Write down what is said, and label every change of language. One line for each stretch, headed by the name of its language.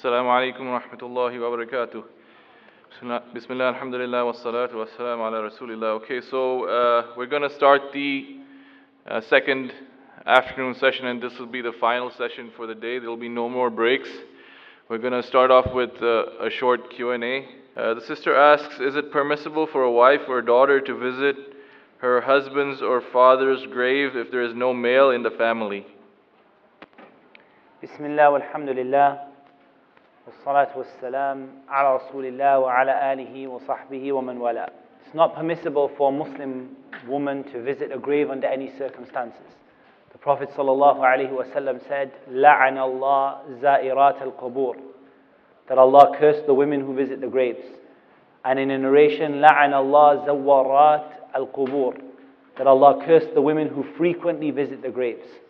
Arabic: السلام عليكم ورحمة الله وبركاته. بسم الله الحمد لله والصلاة والسلام على رسول الله.
English: Okay, so we're going to start the second afternoon session, and this will be the final session for the day. There will be no more breaks. We're going to start off with a short Q&A. The sister asks, is it permissible for a wife or daughter to visit her husband's or father's grave if there is no male in the family?
Arabic: بسم الله والحمد لله والصلاة والسلام على رسول الله وعلى آله وصحبه ومن ولا.
English: It's not permissible for a Muslim woman to visit a grave under any circumstances. The Prophet صلى الله عليه وسلم said,
Arabic: لعن الله زائرات القبور,
English: that Allah cursed the women who visit the graves. And in a narration,
Arabic: لعن الله زوارات القبور,
English: that Allah cursed the women who frequently visit the graves.